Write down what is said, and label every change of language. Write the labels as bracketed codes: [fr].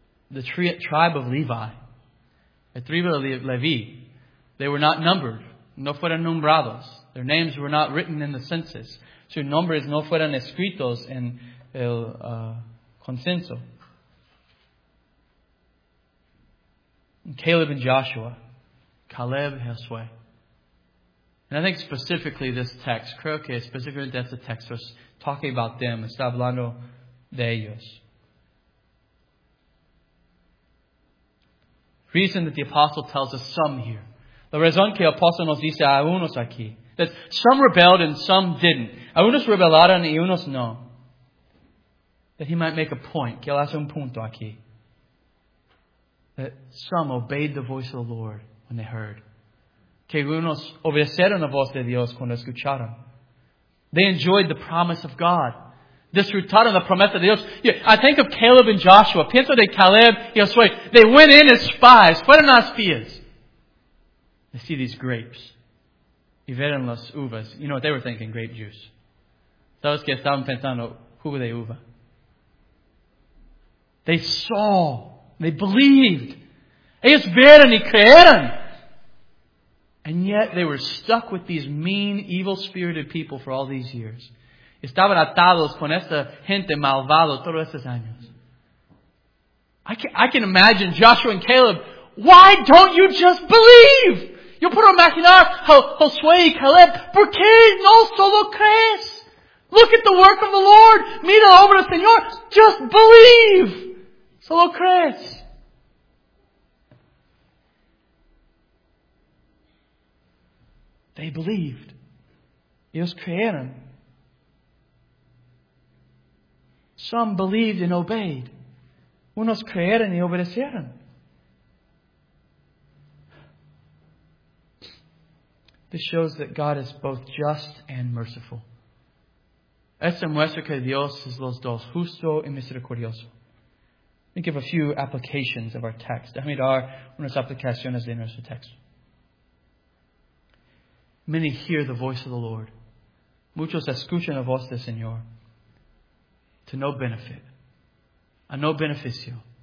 [en] The tribe of Levi, the tribe of Levi, they were not numbered. [es] No fueron nombrados. [en] Their names were not written in the census. [es] Sus nombres no fueron escritos en el consenso. Caleb and Joshua. Caleb y Josué. [en] And I think specifically this text, [es] creo que específicamente este texto es [en] talking about them, [es] está hablando de ellos. [en] Reason that the apostle tells us some here. [es] La razón que el apóstol nos dice a unos aquí. [en] That some rebelled and some didn't. [es] A unos rebelaron y unos no. [en] That he might make a point, [es] que él hace un punto aquí. [en] That some obeyed the voice of the Lord when they heard. [es] Que unos obedecieron la voz de Dios cuando escucharon. [en] They enjoyed the promise of God. [es] Disfrutaron la promesa de Dios. [en] Yeah, I think of Caleb and Joshua. [es] Pienso de Caleb y Josué. [en] They went in as spies. [es] Fueron las espías. [en] They see these grapes. [es] Y vieron las uvas. [en] You know what they were thinking? Grape juice. [es] Sabes que estaban pensando, jugo de uva. [en] They saw. They believed. [es] Ellos vieron y creyeron. [en] And yet they were stuck with these mean, evil-spirited people for all these years. [es] Estaban atados con esta gente malvada todos estos años. [en] I can imagine Joshua and Caleb. Why don't you just believe? [es] Yo puedo imaginar Josué y Caleb. ¿Por qué no solo crees? [en] Look at the work of the Lord. [es] Mira la obra del Señor. [en] Just believe. [es] Solo crees. They believed. Ellos creyeron. Some believed and obeyed. Unos creyeron y obedecieron. [en] This shows that God is both just and merciful. [es] Esto muestra que Dios es los dos, justo y misericordioso. [en] Let me give a few applications of our text. [es] Déjame dar unas aplicaciones de nuestro texto. [en] Many hear the voice of the Lord. [es] Muchos escuchan la voz del Señor. [en] To no benefit. [es] A no beneficio.